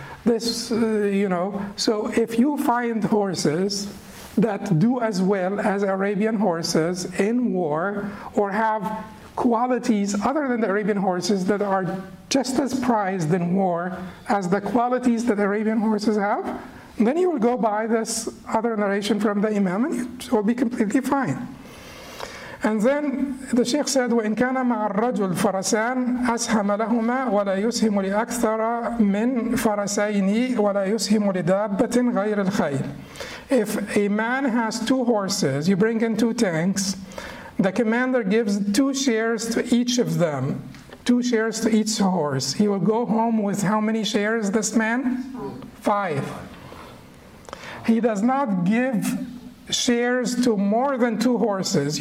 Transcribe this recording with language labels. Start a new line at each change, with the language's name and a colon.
English: This, you know, so if you find horses that do as well as Arabian horses in war or have qualities other than the Arabian horses that are just as prized in war as the qualities that Arabian horses have, then you will go by this other narration from the Imam and it will be completely fine. And then the Sheikh said,
Arabic: وَإِنْ كَانَ مَعَ الرَّجُلِ فَرَسَانِ أَسْهَمَ لَهُمَا وَلَا يُسْهِمُ لِأَكْثَرَ مِنْ فَرَسَيْنِي وَلَا يُسْهِمُ لِدَابَّةٍ غَيْرِ الْخَيْرِ.
English: If a man has two horses, you bring in two tanks, the commander gives two shares to each of them, two shares to each horse. He will go home with how many shares, this man? Five. He does not give shares to more than two horses.